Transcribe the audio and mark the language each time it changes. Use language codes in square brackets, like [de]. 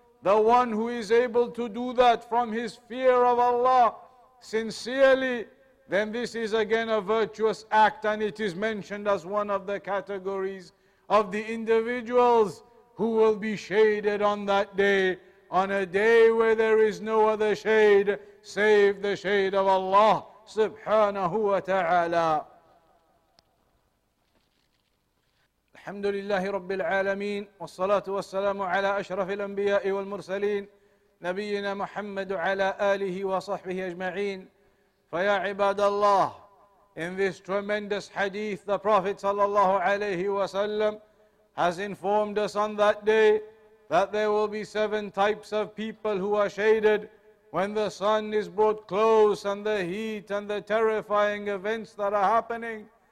[en] The one who is able to do that from his fear of Allah sincerely, then this is again a virtuous act, and it is mentioned as one of the categories of the individuals who will be shaded on that day, on a day where there is no other shade save the shade of Allah subhanahu wa ta'ala. [ar] الحمد لله رب العالمين والصلاة والسلام على أشرف الأنبياء والمرسلين نبينا محمد على آله وصحبه أجمعين فيا عباد الله. [en] In this tremendous hadith, the Prophet [ar] صلى الله عليه وسلم [en] has informed us on that day that there will be seven types of people who are shaded when the sun is brought close and the heat and the terrifying events that are happening.